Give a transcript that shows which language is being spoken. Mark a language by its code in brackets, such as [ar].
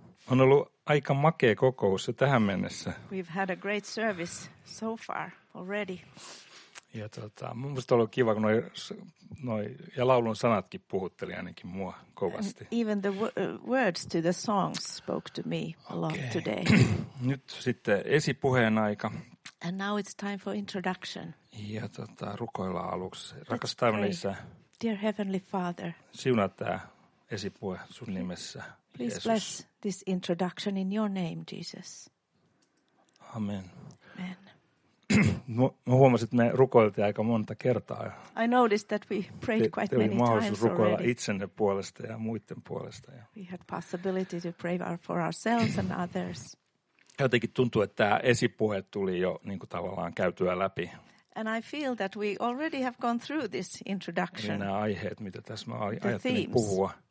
[fi] On ollut aika makea kokous se tähän mennessä. [en] We've had a great service so far already. [fi] Ja musta on ollut kiva, kun noi ja laulun sanatkin puhutteli ainakin mua kovasti. [en] And even the words to the songs spoke to me a lot today. [fi] Nyt sitten esipuheen aika. [en] And now it's time for introduction. [fi] Ja rukoillaan aluksi. Rakas taivaallinen isä. [en] Dear Heavenly Father. [fi] Siunaa tämä esipuhe sun nimessä. [en] Please [fi] Jeesus. [en] Bless this introduction in your name, Jesus. Amen. Amen. [fi] Mä huomasin, että me rukoiltiin aika monta kertaa. [en] I noticed that we prayed quite many times already. [fi] Te oli mahdollisuus rukoilla itsenne puolesta ja muiden puolesta. [en] We had possibility to pray for ourselves and others. [fi] Jotenkin tuntuu, että tämä esipuhe tuli jo niin kuin tavallaan käytyä läpi. [en] And I feel that we already have gone through this introduction. [fi] Eli nämä aiheet, mitä tässä mä ajattelin puhua.